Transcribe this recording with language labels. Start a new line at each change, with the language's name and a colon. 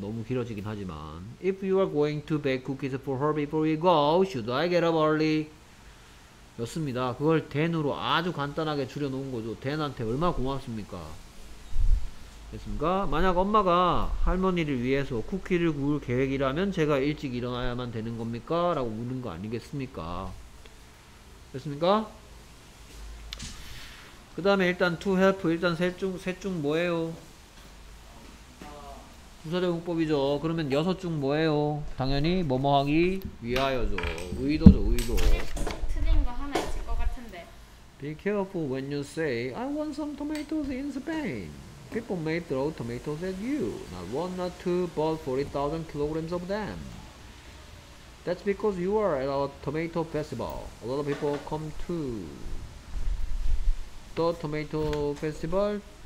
Korean: 너무 길어지긴 하지만
English: If you are going to bake cookies for her before we go, should I get up early?
Korean: 였습니다. 그걸 then으로 아주 간단하게 줄여놓은 거죠. then한테 얼마나 고맙습니까? 됐습니까? 만약 엄마가 할머니를 위해서 쿠키를 구울 계획이라면 제가 일찍 일어나야만 되는 겁니까? 라고 묻는 거 아니겠습니까? 됐습니까? 그 다음에 일단 to help, 일단 셋 중 뭐예요? 부사제공법이죠. 그러면 여섯 중 뭐예요? 당연히 뭐뭐 하기 위하여죠. 의도죠, 의도. 하나 있을 것 같은데
English: Be careful when you say I want some tomatoes in Spain. People may throw tomatoes at you. Not one, not two, but 40,000 kilograms of them. That's because you are at a tomato festival. A lot of people come to the tomato festival.